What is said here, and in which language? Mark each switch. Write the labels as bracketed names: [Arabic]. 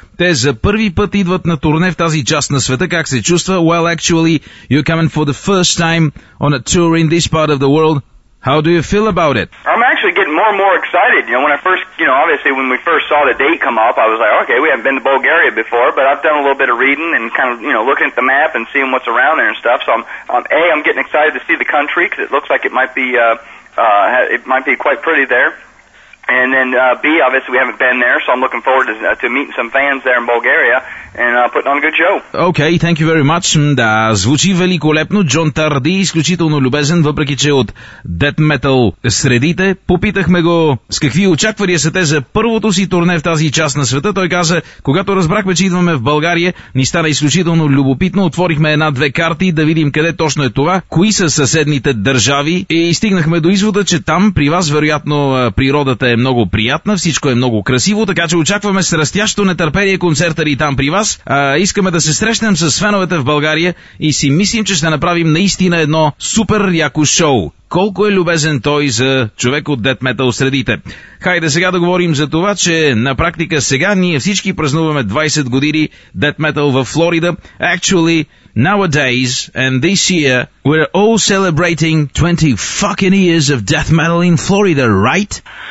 [Bulgarian] Те за първи път идват на турне в тази част на света. Как се чувства? [English] Well, actually, you're coming for the first time on a tour in this part of the world. How do you feel about it? I'm actually getting more and more excited. You know, when I first, you know, obviously when we first saw the date come up, I was like, okay, we haven't been to Bulgaria before, but I've done a little bit of reading and kind of, you know, looking at the map and seeing what's around there and stuff. So I'm getting excited to see the country because it looks like it might be quite pretty there. And then B, obviously we haven't been there, so I'm looking forward to meeting some fans there in Bulgaria and putting on a good show. Okay, thank you very much. [Bulgarian] Да, звучи великолепно. Джон Тарди, изключително любезен, въпреки че от Death Metal средите. Попитахме го с какви очаквания са те за първото си турне в тази част на света. Той каза, когато разбрахме, че идваме в България, ни стана изключително любопитно. Отворихме една-две карти да видим къде точно е това, кои са съседните държави и стигнахме до извода, че там при вас вероятно природата е много приятна, всичко е много красиво, така че очакваме с растящо нетърпение концерта ни там при вас. Искаме да се срещнем с феновете в България и си мислим, че ще направим наистина едно супер яко шоу. Колко е любезен той за човек от Death Metal средите. Хайде сега да говорим за това, че на практика сега ние всички празнуваме 20 години Death Metal във Флорида. [English] Actually, nowadays and this year, we're all celebrating 20 fucking years of Death Metal in Florida, right?